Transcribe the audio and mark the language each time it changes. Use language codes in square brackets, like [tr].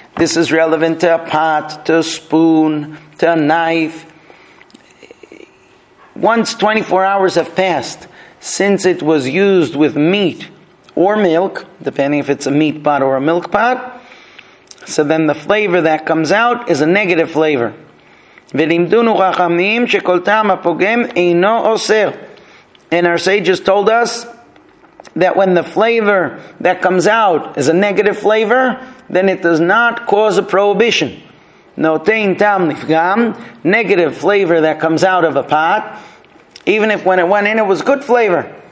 [en] This is relevant to a pot, to a spoon, to a knife. Once 24 hours have passed, since it was used with meat, or milk, depending if it's a meat pot or a milk pot, so then the flavor that comes out is a negative flavor. [he] ולימדונו חכמים שכל טעם הפוגם אינו אוסר. [en] And our sages told us that when the flavor that comes out is a negative flavor, then it does not cause a prohibition. [he] נותן טעם לפגם, [en] negative flavor that comes out of a pot, even if when it went in it was good flavor.